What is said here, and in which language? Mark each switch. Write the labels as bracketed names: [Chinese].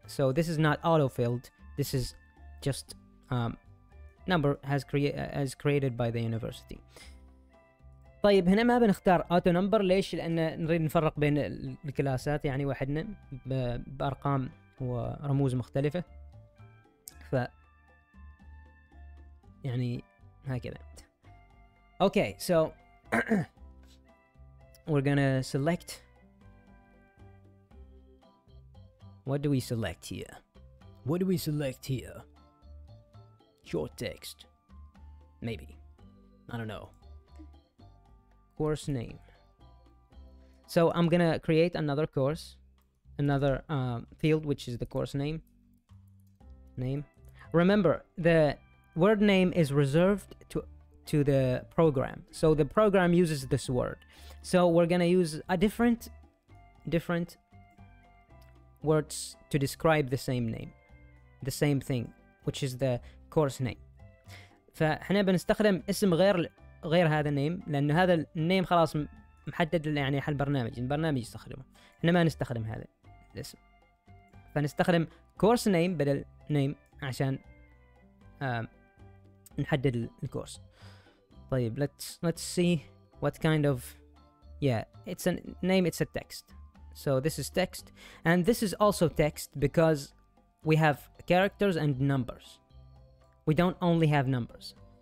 [English] So this is not autofilled. This is just number has created by the university. [Arabic] طيب هنا ما بنختار auto number. ليش؟ لأن نريد نفرق بين الكلاسات يعني وحدنا بأرقام ورموز مختلفة. ف يعني هكذا. [English] Okay, so we're gonna select. What do we select here? What do we select here? Short text. Maybe. I don't know. Course name. So I'm gonna create another course, another field, which is the course name. Name. Remember, the word name is reserved to the program. So the program uses this word. So we're gonna use a different words to describe the same name, the same thing, which is the course name. [Arabic] فاحنا بنستخدم اسم غير هذا النيم، لأنه هذا النيم خلاص محدد يعني حال البرنامج، البرنامج يستخدمه. إحنا ما نستخدم هذا الاسم، فنستخدم كورس نيم بدل نيم عشان نحدد الكورس. [English] طيب let's see what kind of it's a name, it's a text. So this is text, and this is also text because we have characters and numbers. We don't only have numbers.